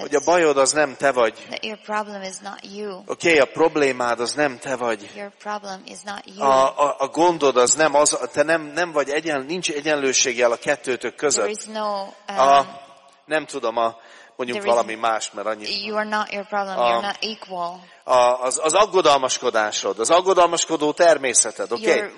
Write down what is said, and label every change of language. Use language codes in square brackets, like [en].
[hu] Hogy a bajod az nem te vagy. [en] That your problem is not you. [hu] Okay, a problémád az nem te vagy. [en] Your problem is not you. [hu] A gondod az nem az, te nem vagy egyen, nincs egyenlőségjel a kettőtök között. [en] There is no, [hu] nem tudom, a mondjuk valami más, mert annyi. [en] You are not your problem, you're not equal. [hu] Az aggodalmaskodásod, az aggodalmaskodó természeted, oké?